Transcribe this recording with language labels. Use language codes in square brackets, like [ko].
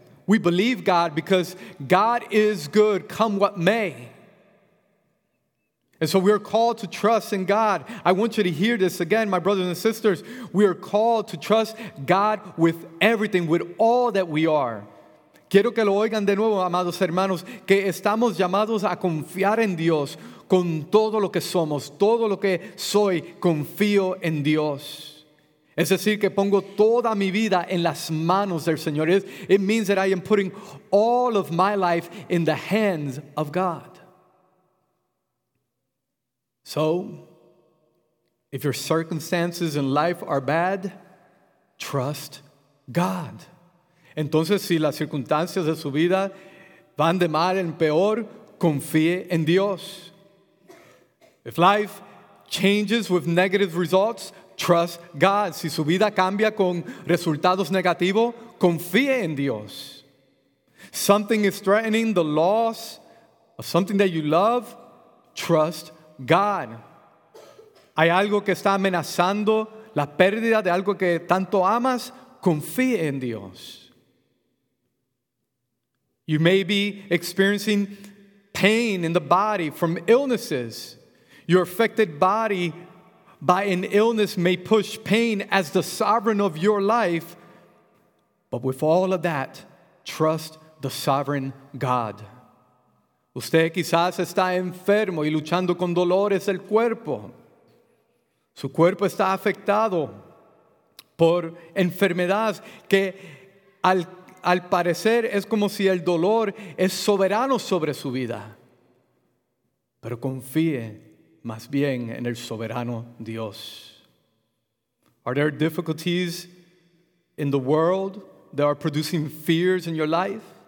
[en] We believe God because God is good, come what may. And so we are called to trust in God. I want you to hear this again, my brothers and sisters. We are called to trust God with everything, with all that we are. [es] Quiero que lo oigan de nuevo, amados hermanos, que estamos llamados a confiar en Dios con todo lo que somos, todo lo que soy, confío en Dios. Es decir, que pongo toda mi vida en las manos del Señor. [en] It means that I am putting all of my life in the hands of God. So, if your circumstances in life are bad, trust God. [es] Entonces, si las circunstancias de su vida van de mal en peor, confíe en Dios. [en] If life changes with negative results, trust God. [es] Si su vida cambia con resultados negativos, confíe en Dios. [en] Something is threatening, the loss of something that you love, trust God. [es] Hay algo que está amenazando la pérdida de algo que tanto amas, confíe en Dios. [en] You may be experiencing pain in the body from illnesses. Your affected body by an illness may push pain as the sovereign of your life. But with all of that, trust the sovereign God. [es] Usted quizás está enfermo y luchando con dolores del cuerpo. Su cuerpo está afectado por enfermedad que al parecer es como si el dolor es soberano sobre su vida. Pero confíe más bien en el soberano Dios. [en] Are there difficulties in the world that are producing fears in your life?